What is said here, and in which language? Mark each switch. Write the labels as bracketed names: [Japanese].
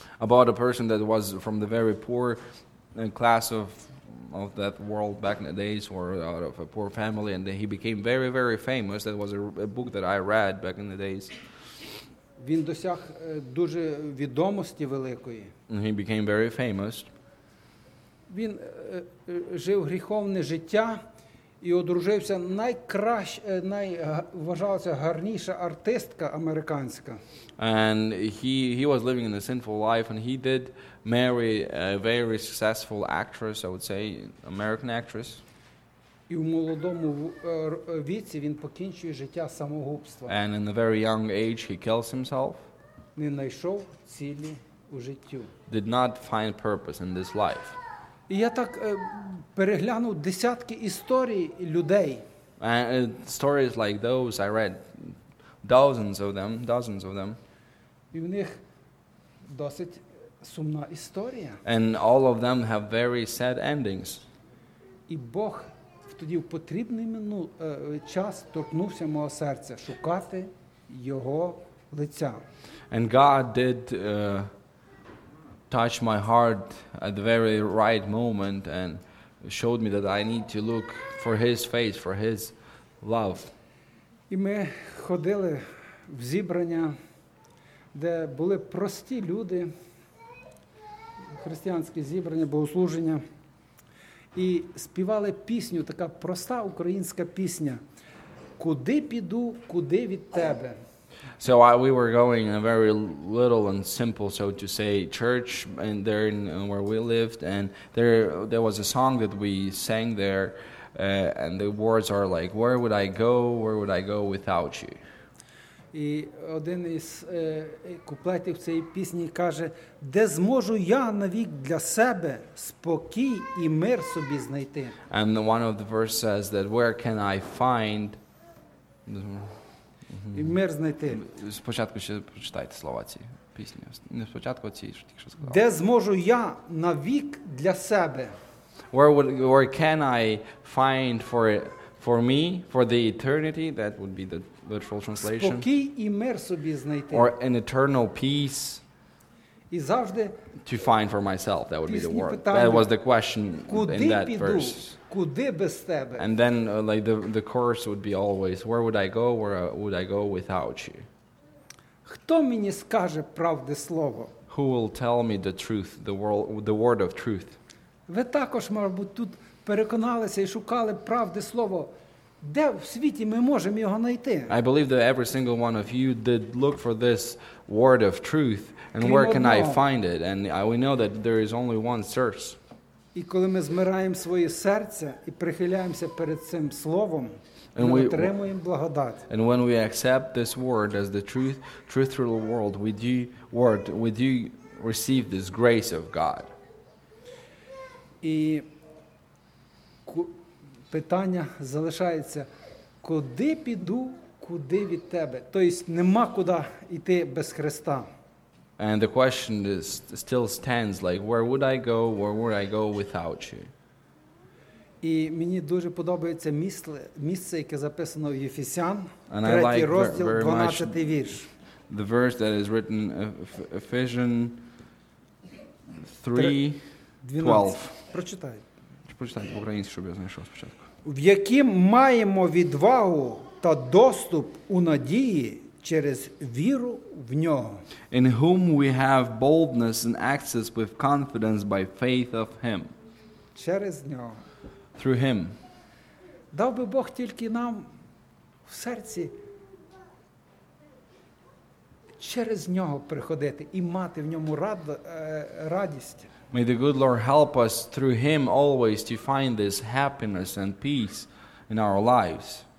[English] About a person that was from the very poor class of that world back in the days, or out of a poor family, and then he became very, very famous. That was a book that I read back in the days. [Ukrainian] Він досяг дуже відомості великої. [English] And he became very famous. [Ukrainian] Він жив гріховне життя і одружився найважалася гарніша артистка американська. [English] And he was living in a sinful life and he did marry a very successful actress, I would say, American actress. [Ukrainian] І в молодому віці він покінчує життя самогубством. [English] And in a very young age he kills himself. [Ukrainian] Не знайшов цілі у житті. [English] Did not find purpose in this life. [Ukrainian] І я так переглянув десятки історій людей. [English] Stories like those, I read dozens of them. [Ukrainian] І в них досить сумна історія. [English] And all of them have very sad endings. [Ukrainian] І Бог тоді в потрібний час торкнувся мого серця шукати його лиця. [English] And God did touch my heart at the very right moment and showed me that I need to look for his face, for his love. [Ukrainian] І ми ходили в зібрання, де були прості люди, християнські зібрання, богослуження, і співали пісню, така проста українська пісня: «Куди піду, куди від тебе?» [English] So we were going in a very little and simple, so to say, church and there in where we lived, and there was a song that we sang there, and the words are like, where would I go? Where would I go without you? [Ukrainian] І один із куплетів цієї пісні каже: де зможу я навік для себе спокій і мир собі знайти? [English] And one of the verse says that where can I find [Ukrainian] і мир знайти. Спочатку ще прочитайте слова ці пісні. Не спочатку ці, що сказав. Де зможу я навік для себе? [English] Where can I find for me, for the eternity? That would be the literal translation. [Ukrainian] Спокій і мир собі знайти. [English] Or an eternal peace. [Ukrainian] І завжди [English] to find for myself. That would be the word. That was the question in that verse. [Ukrainian] Куди без тебе? [English] And then like the course would be always, where would I go? Where would I go without you? [Ukrainian] Хто мені скаже правди слово? [English] Who will tell me the truth, the word of truth? [Ukrainian] Ви також, мабуть, тут переконалися і шукали правди слово. Де в світі ми можемо його знайти? [English] I believe that every single one of you did look for this word of truth, and where can I find it? And we know that there is only one source. [Ukrainian] І коли ми змираємо своє серце і прихиляємося перед цим словом, ми отримуємо благодать. [English] And when we accept this word as the truth, truth through the world, we do receive this grace of God. [Ukrainian] І питання залишається: куди піду, куди від тебе? Тобто нема куди йти без Христа. [English] And the question is still stands, like, where would I go, where would I go without you? [Ukrainian] І мені дуже подобається місце, яке записано в Ефесян, 3 розділ, 12 вірш. [English] The verse that is written Ephesians 3:12. [Ukrainian] Прочитайте українською, щоб я знайшов спочатку. В якому маємо відвагу та доступ у надії через віру в нього. [English] In whom we have boldness and access with confidence by faith of him. [Ukrainian] Через нього. [English] Through him. [Ukrainian] Дав би Бог тільки нам в серці через нього приходити і мати в ньому радість. [English] May the good Lord help us through him always to find this happiness and peace in our lives.